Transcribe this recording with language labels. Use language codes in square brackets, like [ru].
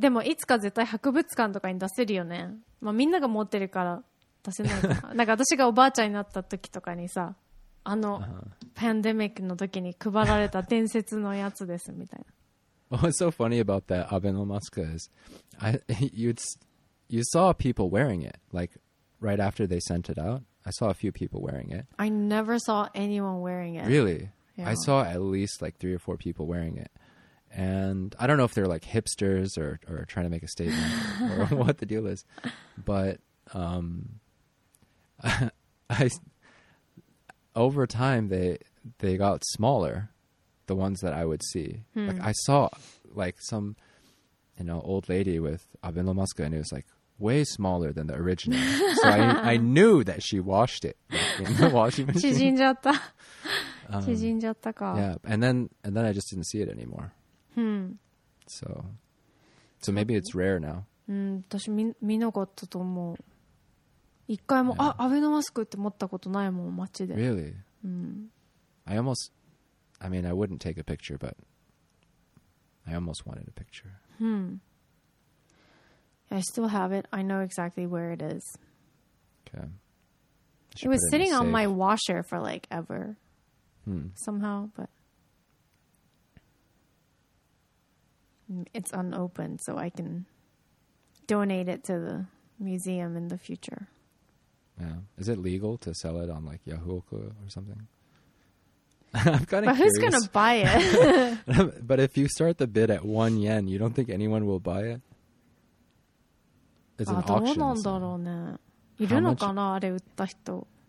[ja] でもいつか絶対博物館とかに出せるよね。まあ、みんなが持ってるから出せないかな。なんか私がおばあちゃんになった時とかにさ、あの、パンデミックの時に配られた伝説のやつですみたいな。 [en] What's so funny about that Abenomaska is you saw people wearing it, like right after they sent it out. I saw a few people wearing it. I never saw anyone wearing it. Really? Yeah. I saw at least like 3 or 4 people wearing it. And I don't know if they're like hipsters or trying to make a statement or what the deal is. But over time, they got smaller. The ones that I would see. Hmm. Like I saw like some, you know, old lady with Abenomaska and it was like way smaller than the original. So I knew that she washed it like, in the washing machine. [ja] 縮んじゃった。縮んじゃったか。 [en] Yeah, and then I just didn't see it anymore. Hmm. So maybe it's rare now. [ja] うん、私見なかったと思う。一回も、 [en] yeah. [ja] あ、Abenomaska って持ったことないもん、街で。 [en] Really? Hmm. I mean, I wouldn't take a picture, but I almost wanted a picture. Hmm. I still have it. I know exactly where it is. Okay. It was sitting on my washer for like ever. Hmm. Somehow, but it's unopened, so I can donate it to the museum in the future. Yeah. Is it legal to sell it on like Yahoo or something? I'm kind of who's going to buy it? But if you start the bid at 1 yen, you don't think anyone will buy it? It's an auction. [ja] どうなんだろうね。いるのかな、あれ売った人。